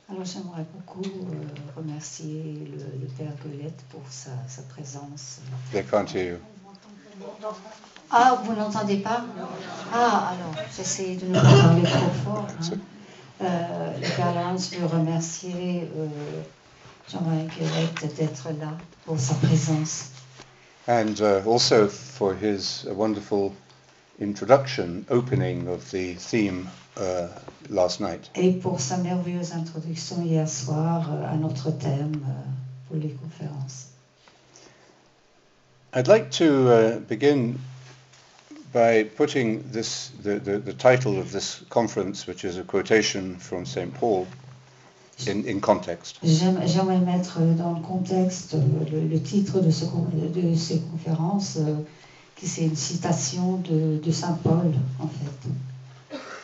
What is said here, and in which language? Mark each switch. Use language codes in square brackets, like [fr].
[fr] Alors, j'aimerais beaucoup remercier le Père Guillet pour sa présence. [en] They can't hear you. [fr] Ah, vous n'entendez pas? Ah, alors, j'essaie de ne pas parler trop fort. Hein. Le Père Lawrence veut remercier Jean-Marie Guillet d'être là pour sa présence. [en] And also for his wonderful introduction, opening of the theme last night. [fr] Et pour sa merveilleuse introduction hier soir à notre thème pour les conférences. [en] I'd like to begin by putting this the title of this conference, which is a quotation from Saint Paul, in context. [fr] J'aimerais mettre dans le contexte le titre de ces conférences, qui c'est une citation de Saint Paul, en fait.